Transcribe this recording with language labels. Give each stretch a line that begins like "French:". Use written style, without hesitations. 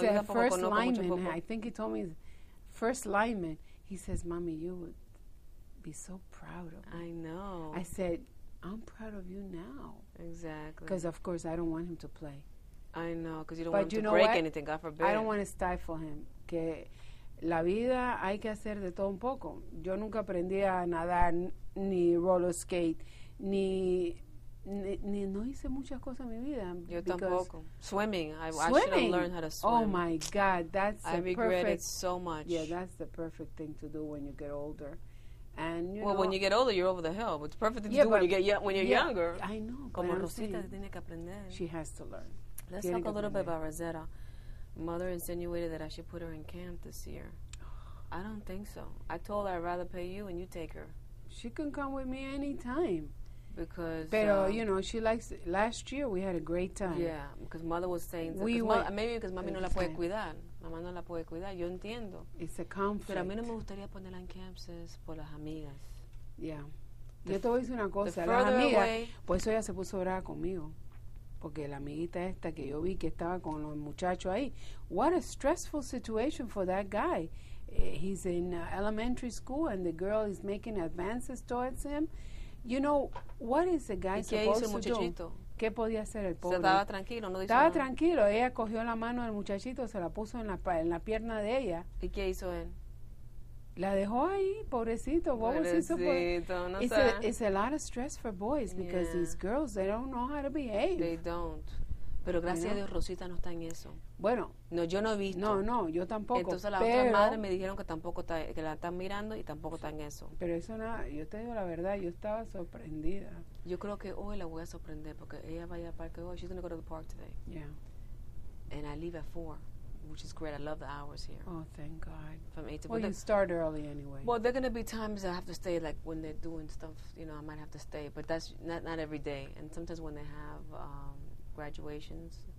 English: He's a first lineman. I think he told me, first lineman. He says, "Mommy, you would be so proud of me." I know. I said, "I'm proud of you now." Exactly. Because of course I don't want him to play. I know, because you don't want him to break anything. God forbid. I don't want to stifle him.
Spanish: Que la vida hay que hacer de todo un poco. Yo nunca aprendí a nadar. Ni roller skate, ni no hice muchas cosas en mi vida. Yo tampoco.
English: Swimming. I should have learned how to swim. Oh my God, that's I regret it so much. Yeah, that's the perfect thing to do when you get older. And you well, know, when you get older, you're over the hill. It's the perfect thing to do when you get younger. I know.
Spanish: Como Rosita tiene que aprender.
English: She has to learn. Let's talk a little bit about Rosetta. Mother insinuated that I should put her in camp this year. I don't think so. I told her I'd rather pay you and you take her. She can come with me anytime. Because... But, you know, she likes... Last year, we had a great time.
Spanish: Yeah, because mother was saying... That, maybe because mami no la puede cuidar. Mamá no la puede cuidar. Yo entiendo.
English: It's a conflict.
Spanish: Pero a mí no me gustaría ponerla en camps es por las amigas. Yeah. Yo te voy a decir una cosa. Las amigas... Pues eso ya se puso brava conmigo. Porque la amiguita esta que yo vi que estaba con los muchachos ahí.
English: What a stressful situation for that guy. He's in elementary school and the girl is making advances towards him. You know, what is the guy supposed to do?
Spanish: ¿Qué podía hacer el pobre? Se estaba tranquilo, no dice estaba nada. Tranquilo. Ella cogió la mano del muchachito, se la puso en la pierna de ella. ¿Y qué hizo él? La dejó ahí, pobrecito. Pobrecito, no sé.
English: It's a lot of stress for boys because these girls, they don't know how to behave. They don't.
Spanish: Pero gracias a Dios, Rosita no está en eso. Bueno. No, yo no he visto. No, yo tampoco. Entonces, las otras madres me dijeron que tampoco está, que la están mirando y tampoco está en eso. Pero eso nada, yo te digo la verdad, yo estaba sorprendida. Yo creo que hoy la voy a sorprender porque ella va a ir al parque hoy.
English: She's going to go to the park today. Yeah. And I leave at 4, which is great. I love the hours here. Oh, thank God. From 8 to 4. Well, you start early anyway. Well, there are going to be times I have to stay, like when they're doing stuff, you know, I might have to stay. But that's not every day. And sometimes when they have... graduations,